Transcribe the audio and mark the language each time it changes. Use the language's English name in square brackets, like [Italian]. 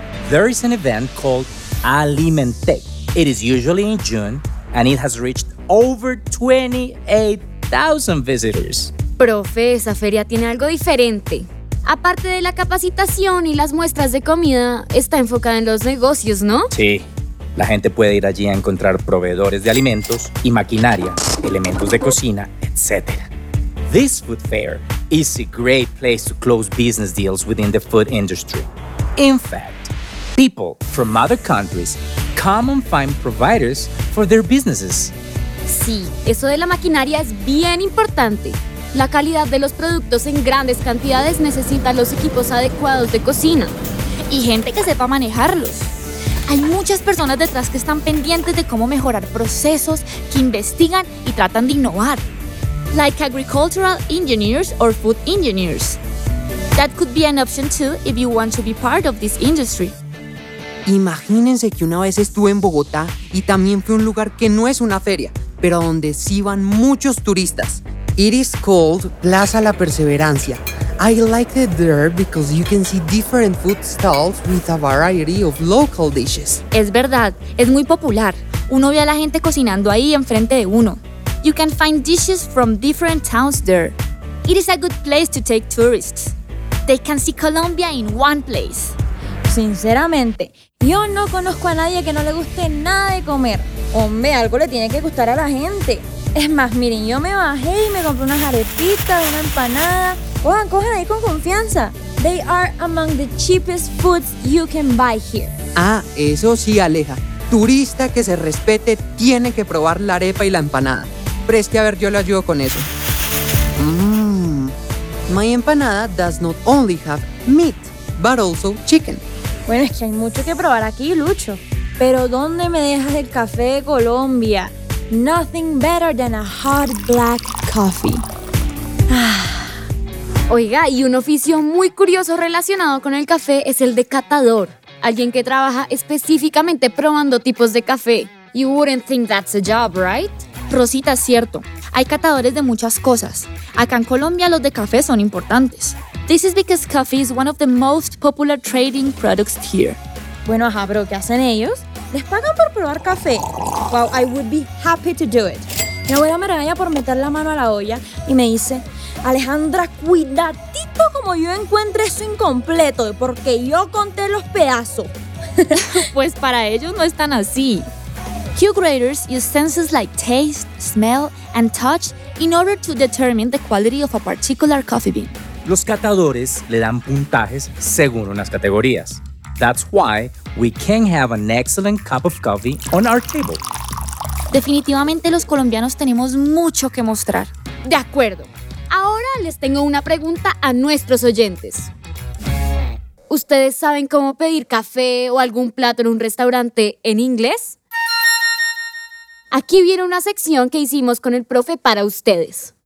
[English] There is an event called Alimentec. It is usually in June, and it has reached over 28,000 visitors. [Spanish] Profe, esa feria tiene algo diferente. Aparte de la capacitación y las muestras de comida, está enfocada en los negocios, ¿no? Sí. La gente puede ir allí a encontrar proveedores de alimentos y maquinaria, elementos de cocina, etc. [English] This food fair is a great place to close business deals within the food industry. In fact, people from other countries come and find providers for their businesses. [Spanish] Sí, eso de la maquinaria es bien importante. La calidad de los productos en grandes cantidades necesita los equipos adecuados de cocina y gente que sepa manejarlos. Hay muchas personas detrás que están pendientes de cómo mejorar procesos, que investigan y tratan de innovar. [English] Like agricultural engineers or food engineers. That could be an option too if you want to be part of this industry. [Spanish] Imagínense que una vez estuve en Bogotá y también fue un lugar que no es una feria, pero donde sí van muchos turistas. [English] It is called Plaza La Perseverancia. I liked it there because you can see different food stalls with a variety of local dishes. [Spanish] Es verdad, es muy popular. Uno ve a la gente cocinando ahí enfrente de uno. [English] You can find dishes from different towns there. It is a good place to take tourists. They can see Colombia in one place. [Spanish] Sinceramente, yo no conozco a nadie que no le guste nada de comer. Hombre, algo le tiene que gustar a la gente. Es más, miren, yo me bajé y me compré unas arepitas, una empanada. Cojan, cojan ahí con confianza. [English] They are among the cheapest foods you can buy here. [Spanish] Ah, eso sí, Aleja. Turista que se respete tiene que probar la arepa y la empanada. Preste a ver, yo le ayudo con eso. [English] My empanada does not only have meat, but also chicken. [Spanish] Bueno, es que hay mucho que probar aquí, Lucho. Pero ¿dónde me dejas el café de Colombia? [English] Nothing better than a hot black coffee. Ah. [Spanish] Oiga, y un oficio muy curioso relacionado con el café es el de catador. Alguien que trabaja específicamente probando tipos de café. [English] You wouldn't think that's a job, right? Rosita, [Spanish] es cierto. Hay catadores de muchas cosas. Acá en Colombia los de café son importantes. [English] This is because coffee is one of the most popular trading products here. [Spanish] Bueno, ajá, pero ¿qué hacen ellos? Les pagan por probar café. [English] Well, I would be happy to do it. [Spanish] Mi abuela me regaña por meter la mano a la olla y me dice, Alejandra, cuidadito como yo encuentre eso incompleto, porque yo conté los pedazos. Pues para ellos no es tan así. [English] Q-graders use senses like taste, smell, and touch in order to determine the quality of a particular coffee bean. [Spanish] Los catadores le dan puntajes según unas categorías. [English] That's why we can have an excellent cup of coffee on our table. [Spanish] Definitivamente los colombianos tenemos mucho que mostrar. De acuerdo. Ahora les tengo una pregunta a nuestros oyentes. ¿Ustedes saben cómo pedir café o algún plato en un restaurante en inglés? Aquí viene una sección que hicimos con el profe para ustedes.